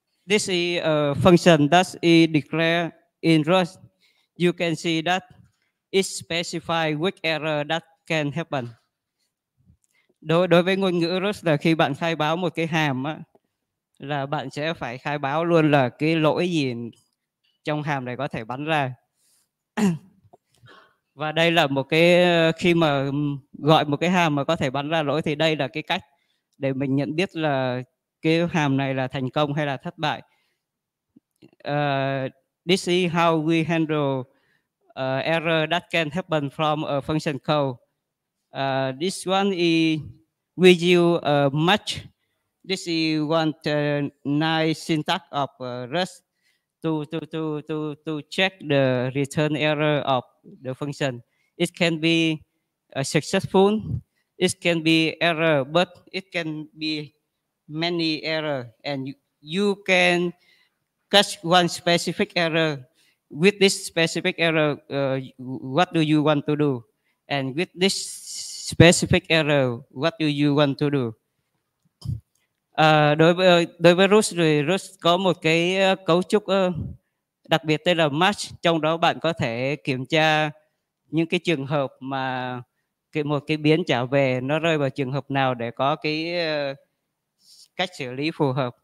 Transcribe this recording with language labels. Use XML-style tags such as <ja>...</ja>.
<en>This is a function that is declared in Rust. You can see that it specifies which error that can happen.</en> <vi>Đối với ngôn ngữ Rust là khi bạn khai báo một cái hàm á, là bạn sẽ phải khai báo luôn là cái lỗi gì trong hàm này có thể bắn ra. Và đây là một cái, khi mà gọi một cái hàm mà có thể bắn ra lỗi thì đây là cái cách để mình nhận biết là cái hàm này là thành công hay là thất bại.</vi> <en>This is how we handle error that can happen from a function code. This one is we use a match. This is one nice syntax of Rust to check the return error of the function. It can be successful. It can be error, but it can be many error, and you can catch one specific error. With this specific error, what do you want to do? And with this specific error, what do you want to do?</en> <vi>Đối với Rust thì Rust có một cái cấu trúc đặc biệt tên là match. Trong đó bạn có thể kiểm tra những cái trường hợp mà một cái biến trả về nó rơi vào trường hợp nào để có cái cách xử lý phù hợp.</vi>